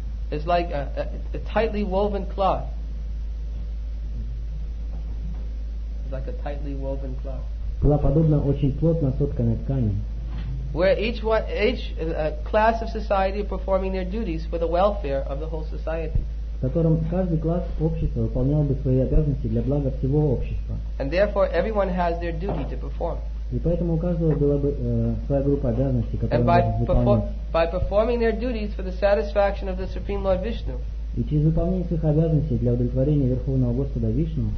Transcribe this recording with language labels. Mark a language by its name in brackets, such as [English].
[English] Is like a tightly woven cloth. Like a tightly woven cloth. [Russian] Была подобна очень плотно сотканной ткани. [English] Where each class of society are performing their duties for the welfare of the whole society. [Russian] В котором каждый класс общества выполнял бы свои обязанности для блага всего общества. [English] And therefore everyone has their duty to perform. [Russian] И поэтому у каждого была бы своя группа обязанностей, которые должны выполнять. [English] By performing their duties for the satisfaction of the Supreme Lord Vishnu. [Russian] И через выполнение своих обязанностей для удовлетворения Верховного Господа Вишну.